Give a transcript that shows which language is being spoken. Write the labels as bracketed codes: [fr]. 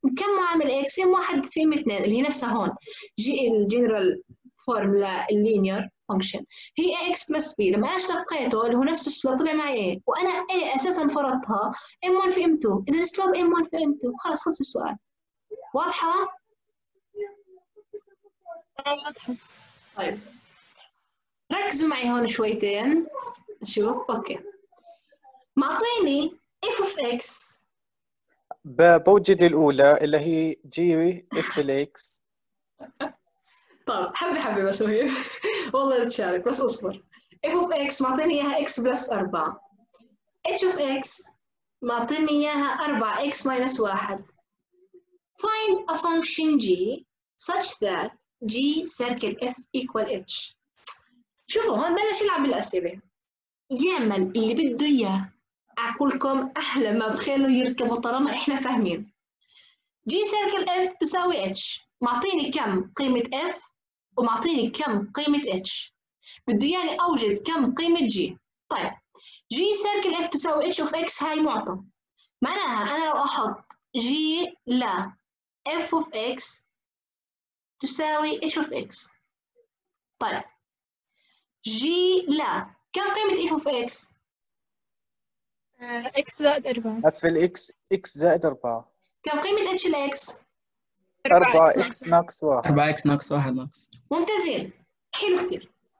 [ar] كم معامل اكس؟ ام واحد في ام اثنين اللي هي نفسها هون جي الجنرال فورمولا اللينير فانكشن هي ax plus b، لما اشتقيته اللي هو نفس السلوب طلع معي a، وانا a اساسا فرضتها m1 في m2، اذا السلوب m1 في m2، خلاص خلص السؤال. واضحه؟ واضحه. طيب ركزوا معي هون شويتين اشوف. اوكي معطيني f of x بوجد الاولى اللي هي g f x. طب حبي حبي بس مهيب والله بتشارك بس اصبر. f of x معطيني اياها x plus 4، h of x معطيني اياها 4 x minus 1. [en] find a function g such that g circle f equal h. [ar] شوفوا هون بلش يلعب بالأسئلة، يعمل اللي بده اياه. اقولكم احلى ما بخيله يركبوا طالما احنا فاهمين. g circle f تساوي h، معطيني كم قيمة f ومعطيني كم قيمة h، بده يعني أوجد كم قيمة g. طيب g circle f تساوي h of x هاي معطى، معناها أنا لو أحط g لا f of x تساوي h of x. طيب g لا كم قيمة f of x؟ x زائد 4 f x x زائد 4. كم قيمة h ال x؟ 4x ناقص 1. ممتازين، حلو كتير.